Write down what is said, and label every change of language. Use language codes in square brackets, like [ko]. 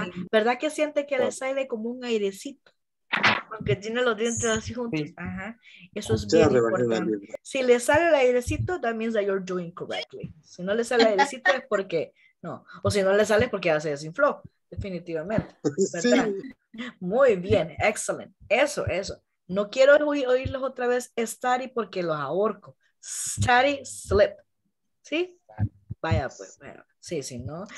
[es] ¿Verdad que siente que le sale como un airecito? Aunque tiene los dientes así juntos. Sí. Ajá. Eso es bien importante. Si le sale el airecito, [en] that means that you're doing correctly. [es] Si no le sale el airecito es porque... No. O si no le sale es porque ya se desinfló. Definitivamente. Sí. Muy bien. [en] Excellent. [es] Eso, eso. No quiero oírlos otra vez study porque los ahorco. Study, slip. ¿Sí? Vaya pues. Bueno. Sí, sí, ¿no?